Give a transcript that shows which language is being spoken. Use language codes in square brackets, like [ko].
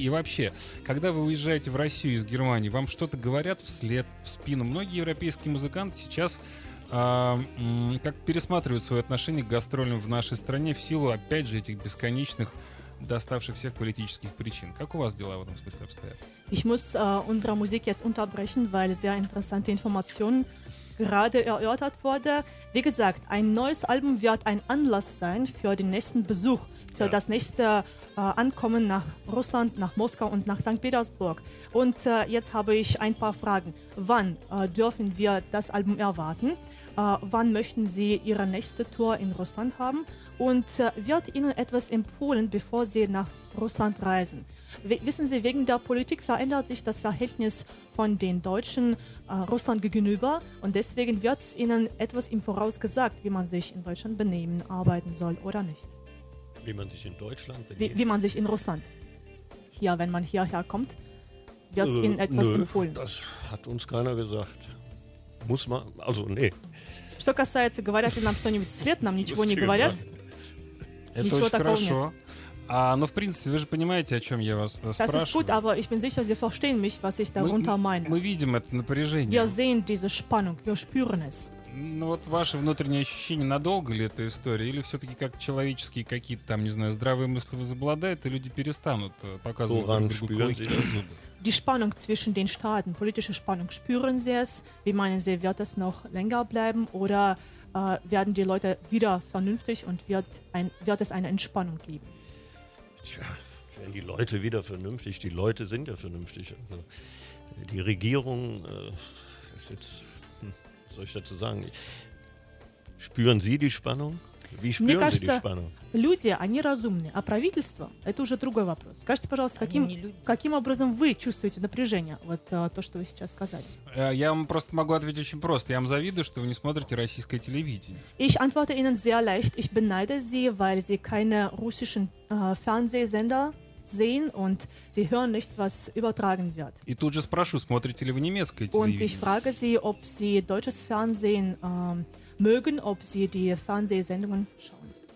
[ru] И вообще, когда вы уезжаете в Россию из Германии, вам что-то говорят вслед, в спину? Многие европейские музыканты сейчас как пересматривают свои отношения к гастролям в нашей стране в силу, опять же, этих бесконечных, доставших всех политических причин. Как у вас дела в этом смысле обстоят? [de] Ich muss unsere Musik jetzt unterbrechen, weil sehr interessante Informationen gerade erörtert wurde. Wie gesagt, ein neues Album wird ein Anlass sein für den nächsten Besuch, für das nächste Ankommen nach Russland, nach Moskau und nach St. Petersburg. Und jetzt habe ich ein paar Fragen. Wann dürfen wir das Album erwarten? Wann möchten Sie Ihre nächste Tour in Russland haben? Und wird Ihnen etwas empfohlen, bevor Sie nach Russland reisen? Wissen Sie, wegen der Politik verändert sich das Verhältnis von den Deutschen Russland gegenüber. Und deswegen wird Ihnen etwas im Voraus gesagt, wie man sich in Deutschland benehmen, arbeiten soll oder nicht. Wie man sich in Deutschland benehmen? Wie man sich in Russland. Hier, wenn man hierher kommt, wird es Ihnen etwas empfohlen. Das hat uns keiner gesagt. Muss man, also nee. [ru] Что касается, говорят ли нам что-нибудь свет, нам ничего не говорят. Это очень хорошо. А, но в принципе, вы же понимаете, о чем я вас спрашиваю. [de] Das ist gut, aber ich bin sicher, Sie verstehen mich, was ich darunter meine. [ru] Мы видим это напряжение. [de] Wir sehen diese Spannung, wir spüren es. [ru] Ну вот ваше внутреннее ощущение, надолго ли эта история, или все-таки как человеческие какие-то там, не знаю, здравые мысли возобладают, и люди перестанут показывать друг другу клыки. [de] Die Spannung zwischen den Staaten, politische Spannung, spüren Sie es? Wie meinen Sie, wird es noch länger bleiben oder werden die Leute wieder vernünftig und wird es eine Entspannung geben? Tja, werden die Leute wieder vernünftig? Die Leute sind ja vernünftig. Also, die Regierung, ist jetzt, was soll ich dazu sagen? Spüren Sie die Spannung? Wie spüren [ru] Мне кажется, [de] Sie die Spannung? [ru] Люди, они разумны, а правительство – это уже другой вопрос. Скажите, пожалуйста, каким образом вы чувствуете напряжение, вот то, что вы сейчас сказали? Я вам просто могу ответить очень просто. Я вам завидую, что вы не смотрите российское телевидение. [de] Ich antworte Ihnen sehr leicht. Ich beneide Sie, weil Sie keine russischen Fernsehsender sehen und Sie hören nicht, was übertragen wird. [ru] И тут же спрошу, смотрите ли вы немецкое телевидение? [de] Und ich frage Sie, ob Sie deutsches Fernsehen mögen, ob sie die Fernsehsendungen schauen.